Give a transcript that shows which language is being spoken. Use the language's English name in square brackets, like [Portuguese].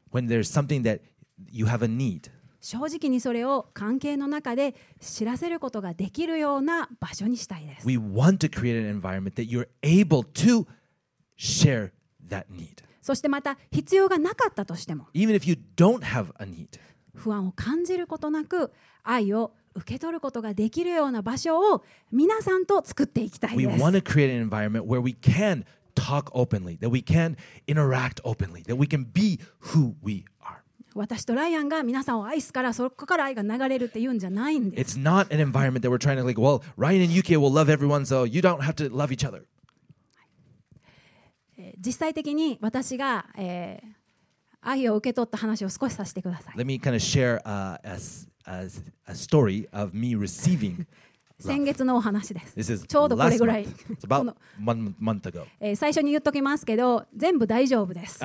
[English] When there's something thatYou have a need. [Japanese] 正直にそれを関係の中で知らせることができるような場所にしたいです。 [English] We want to create an environment that you're able to share that need. [Japanese] そしてまた必要がなかったとしても、 [English] Even if you don't have a need, [Japanese] 不安を感じることなく愛を受け取ることができるような場所を皆さんと作っていきたいです。 [English] We want to create an environment where we can talk openly, that we can interact openly, that we can be who we are. [Japanese] 私とライアンが皆さんを愛すからそこから愛が流れるって言うんじゃないんです。 [English] It's not an environment that we're trying to like, well, Ryan and UK will love everyone, so you don't have to love each other. [Japanese] 実際的に私が、愛を受け取った話を少しさせてください。 [English] Let me kind of share a story of me receiving. [Japanese] 先月のお話です。 [English] This is [Japanese] ちょうどこれぐらい。 [English] It's about month ago. [Japanese] 最初に言っときますけど、全部大丈夫です。